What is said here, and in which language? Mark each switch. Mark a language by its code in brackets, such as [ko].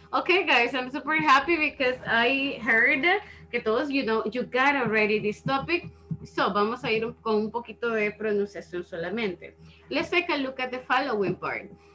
[en] Okay, guys, I'm super happy because I heard [es] que todos, [en] you know, you got already this topic. [es] So, vamos a ir con un poquito de pronunciación solamente. [en] Let's take a look at the following part.